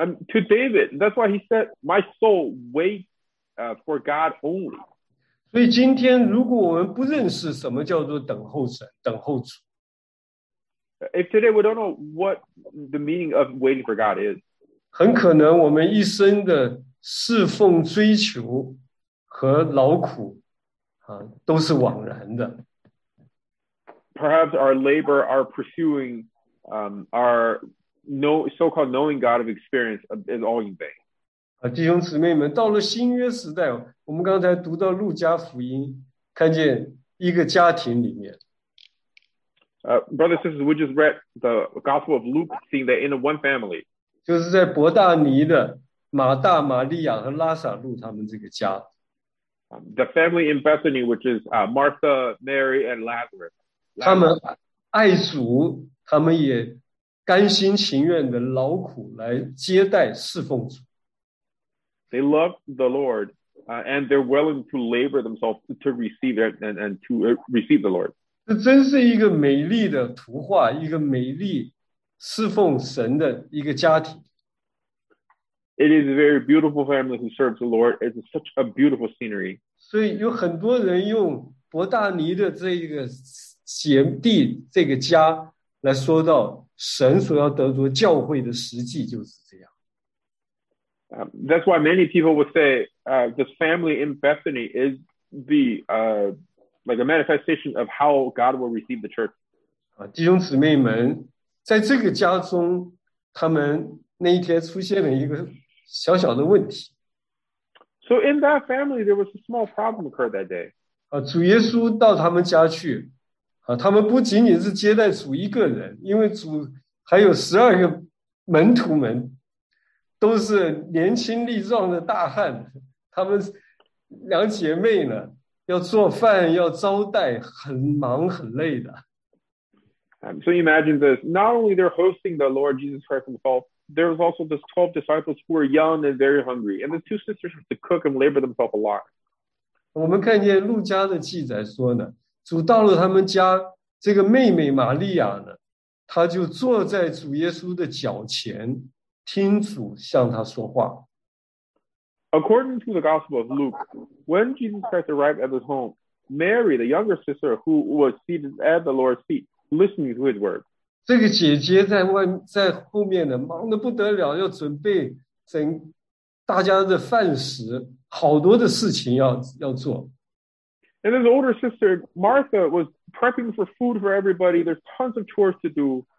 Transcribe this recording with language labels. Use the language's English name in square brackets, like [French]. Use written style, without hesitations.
[English] To David, that's why he said, my soul waits for God only. [Chinese] 所以今天如果我们不认识什么叫做等候神、等候主。 [English] If today we don't know what the meaning of waiting for God is. [Chinese] 很可能我们一生的侍奉追求和劳苦，都是枉然的。 [English] Perhaps our labor, our pursuing, our so-called knowing God of experience is all in vain. [Chinese] 弟兄姊妹们，到了新约时代，我们刚才读到路加福音，看见一个家庭里面。 [English] Brothers and sisters, we just read the Gospel of Luke, seeing that in one family. [Chinese] 就是在伯大尼的马大、玛利亚和拉撒路他们这个家。 [English] The family in Bethany, which is Martha, Mary, and Lazarus. [Chinese] 他们爱主，他们也甘心情愿的劳苦来接待侍奉主。 [English] They love the Lord, and they're willing to labor themselves to receive it and to receive the Lord. [Chinese] 这真是一个美丽的图画，一个美丽侍奉神的一个家庭。 [English] It is a very beautiful family who serves the Lord. It's such a beautiful scenery. [Chinese] 所以有很多人用伯大尼的这个姐弟这个家来说到神所要得着教会的实际就是这样。 [English] That's why many people would say this family in Bethany is the like a manifestation of how God will receive the church. [Chinese] 弟兄姊妹们，在这个家中，他们那一天出现了一个小小的问题。 [English] So in that family, there was a small problem occurred that day. [Chinese] 主耶稣到他们家去，他们不仅仅是接待主一个人，因为主还有十二个门徒们，都是年轻力壮的大汉，他们两姐妹呢，要做饭，要招待，很忙很累的。 [English] So imagine this, not only they're hosting the Lord Jesus Christ himself, there's also this 12 disciples who are young and very hungry, and the two sisters have to cook and labor themselves a lot. [Chinese] 我们看见路加的记载说呢，主到了他们家，这个妹妹玛利亚呢，她就坐在主耶稣的脚前，听主向她说话。 [English] According to the Gospel of Luke, when Jesus Christ arrived at his home, Mary, the younger sister who was seated at the Lord's feet, listening to his word. [Chinese] 这个姐姐在外在后面呢，忙得不得了，要准备整大家的饭食，好多的事情要做。 [English] And his older sister Martha was prepping for food for everybody. There's tons of chores to do.